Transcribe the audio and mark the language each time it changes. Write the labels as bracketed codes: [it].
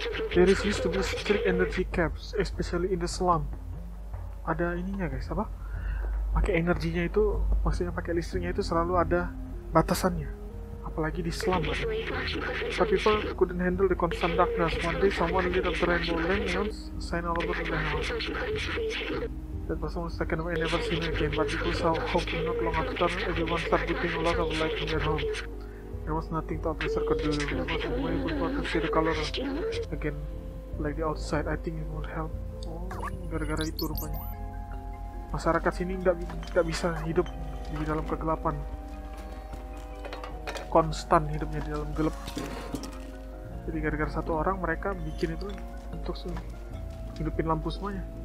[en] There is used to be strict energy caps, especially in the slum. [id] Ada ininya, guys. Apa? Pakai energinya itu, maksudnya pakai listriknya itu selalu ada batasannya. Apalagi di slum. Kan? [en] Some people couldn't handle the constant darkness. One day, someone lit up the rainbow lamp, neons shine all over the house. That was almost like I never seen it again, but it was our hope not long after everyone started putting a lot of light in their home. There was nothing the officer could do. There was a way for people to see the color again, like the outside. I think it would help. [id] Oh, gara-gara itu rupanya. Masyarakat sini nggak bisa hidup di dalam kegelapan. Konstan hidupnya di dalam gelap. Jadi gara-gara satu orang, mereka bikin itu untuk hidupin lampu semuanya.